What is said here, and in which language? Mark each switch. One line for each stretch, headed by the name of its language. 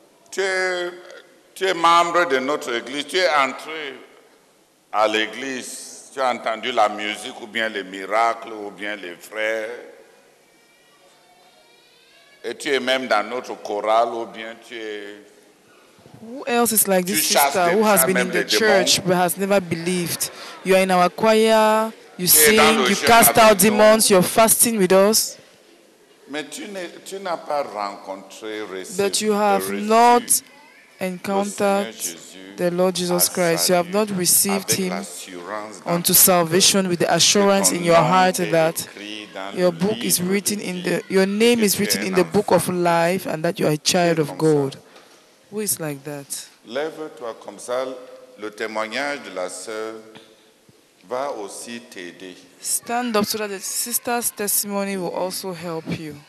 French: Tu es membre de notre église, tu es entré à l'église. Tu as entendu la musique ou bien les miracles ou bien les frères. Et tu es même dans notre chorale ou bien tu es...
English: Who else is like this sister who has been in the church but has never believed? You are in our choir, you sing, you cast out demons, you're fasting with us.
French: Mais tu n'as pas rencontré, reçu.
English: But you have not encountered the Lord Jesus Christ. You have not received him unto salvation with the assurance in your heart that your book is written in the, your name is written in the book of life and that you are a child of God. Who is like that?
French: Lève-toi comme ça. Le témoignage de la sœur va aussi t'aider.
English: Stand up so that the sister's testimony will also help you.